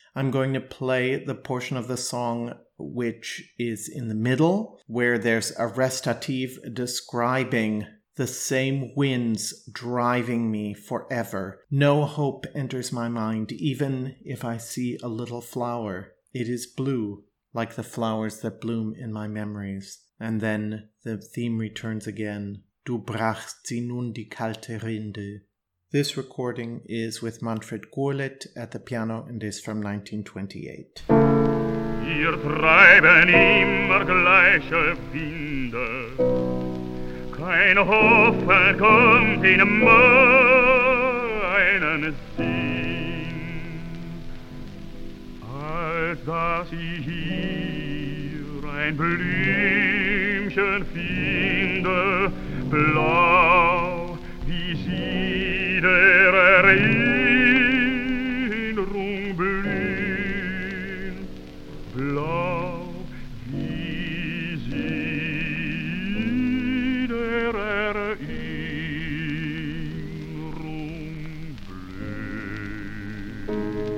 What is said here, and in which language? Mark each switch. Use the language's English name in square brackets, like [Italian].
[English] I'm going to play the portion of the song which is in the middle, where there's a recitative describing the same winds driving me forever. No hope enters my mind, even if I see a little flower. It is blue, like the flowers that bloom in my memories. And then the theme returns again. [German] Du brachst sie nun die kalte Rinde. [English] This recording is with Manfred Gurlitt at the piano and is from 1928. [German] Ihr treiben immer gleiche Winde. Kein Hoffen kommt in meinen Sinn. Als dass ich hier ein Blümchen finde, blau wie sie der Erinnerung blüht, blau wie sie der Erinnerung blüht.